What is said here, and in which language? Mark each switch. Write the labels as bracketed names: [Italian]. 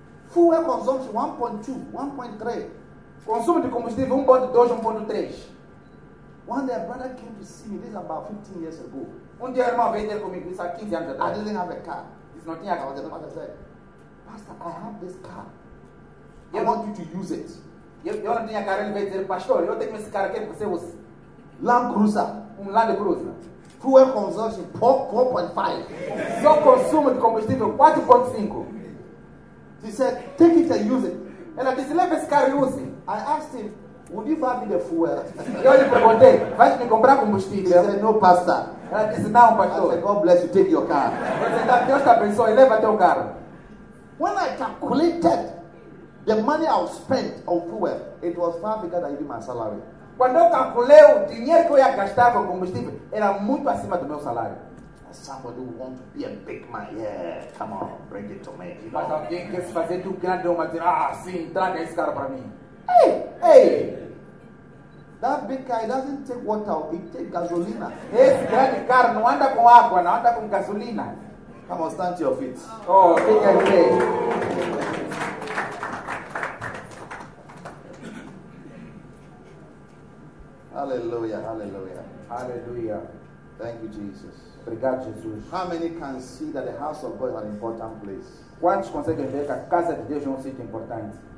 [English] Fuel consumption 1.2, 1.3. [Portuguese] Consumo de combustível 1.2, 1.3. [English] One day a brother came to see me. This is about 15 years ago. [Portuguese] Dia irmão veio ter comigo. Isso há 15 anos atrás. [English] I didn't have a car. [Portuguese] Isso não tinha carro. [English] The pastor said, Pastor, I have this car. I want you to use it. [Portuguese] Eu não tinha carro, ele veio dizer, pastor, eu tenho esse carro aqui que você usa. [English] Land Cruiser. Land Cruiser. Fuel consumption, 4.5. [Portuguese] Seu consumo de combustível, 4.5. [English] He said, take it and use it. [Portuguese] Ela disse, leve esse carro e use. [English] I asked him, would you buy me the fuel? [Portuguese] Eu lhe perguntei, vai me comprar combustível? [English] He said, no, pastor. [Portuguese] Ela disse, não, pastor. [English] I said, God bless you, take your car. [Portuguese] Deus te abençoe, leva teu carro. [English] When I calculated the money I spent on fuel, it was far bigger than even my salary. [Portuguese] Quando eu calculei o dinheiro que eu ia gastar com combustível, era muito acima do meu salário. [English] Somebody who wants to be a big man, yeah, come on, bring it to me. [Portuguese] Mas alguém quer se fazer do grande homem, dizer, ah, sim, traga esse cara para mim. [English] Hey, that big guy doesn't take water, he takes gasolina. [Portuguese] Esse grande cara não anda com água, não anda com gasolina. [English] Come on, stand to your feet. [Portuguese] Oh, fica em pé. [English] Hallelujah, hallelujah. Hallelujah. Thank you, Jesus. [Portuguese] Obrigado, Jesus. [English] How many can see that the house of God is an important place? [Portuguese] Quantos conseguem ver que a casa de Deus é um sítio importante?